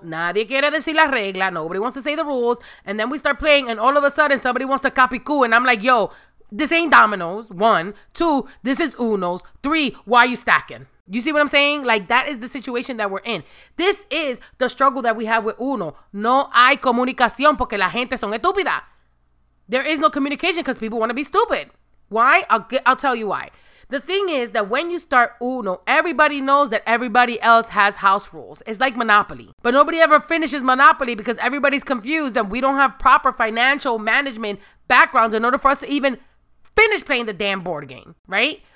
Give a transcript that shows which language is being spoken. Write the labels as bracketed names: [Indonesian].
[Spanish] Nadie quiere decir la regla. [English] Nobody wants to say the rules. And then we start playing and all of a sudden somebody wants to copy coup. And I'm like, yo, this ain't dominoes. One. Two, this is Uno's. Three, why are you stacking? You see what I'm saying? Like, that is the situation that we're in. This is the struggle that we have with Uno. [Spanish] No hay comunicación porque la gente son estúpida. [English] There is no communication because people want to be stupid. Why? I'll tell you why. The thing is that when you start Uno, everybody knows that everybody else has house rules. It's like Monopoly. But nobody ever finishes Monopoly because everybody's confused and we don't have proper financial management backgrounds in order for us to even finish playing the damn board game, right?